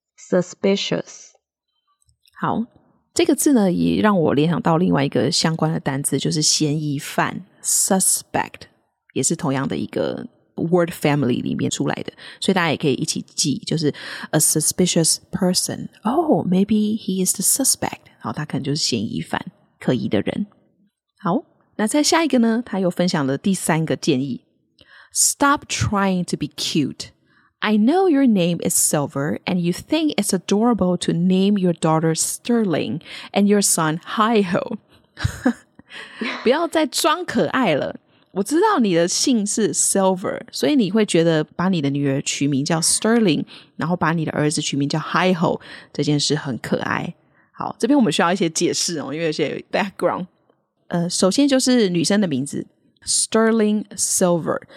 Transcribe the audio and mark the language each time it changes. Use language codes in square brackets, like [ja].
[en] Suspicious。 [zh] 好，这个字呢也让我联想到另外一个相关的单字，就是嫌疑犯 Suspect， 也是同样的一个 [en] word family [zh] 里面出来的，所以大家也可以一起记，就是 [en] a suspicious person. Oh, maybe he is the suspect. [zh] 好，他可能就是嫌疑犯，可疑的人。好，那再下一个呢，他又分享了第三个建议。 [en] Stop trying to be cute. I know your name is Silver, and you think it's adorable to name your daughter Sterling and your son Hi-Ho. [zh] 不要再装可爱了。我知道你的姓是 Silver, 所以你会觉得把你的女儿取名叫 Sterling, 然后把你的儿子取名叫 Hi-Ho, 这件事很可爱。好，这边我们需要一些解释哦，因为有些 background。首先就是女生的名字。Sterling Silver.